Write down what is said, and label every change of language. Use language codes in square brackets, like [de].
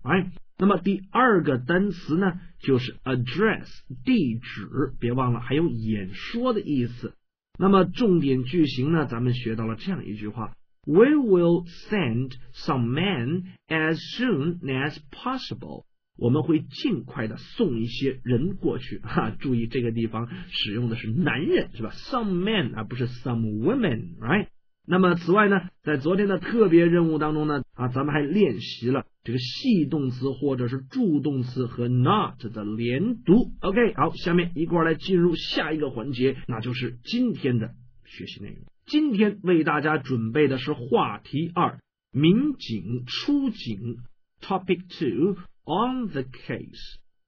[zh] 哎，那么第二个单词呢就是 address 地址，别忘了还有演说的意思。那么重点句型呢，咱们学到了这样一句话， [en] We will send some men as soon as possible， [zh] 我们会尽快的送一些人过去、啊、注意这个地方使用的是男人，是吧？ [en] Some men [zh] 而不是 [en] some women， right？ [zh] 那么此外呢，在昨天的特别任务当中呢啊，咱们还练习了这个系动词或者是助动词和 not 的连读。 OK， 好，下面一块来进入下一个环节，那就是今天的学习内容。今天为大家准备的是话题二，民警出警， [en] Topic 2 on the case。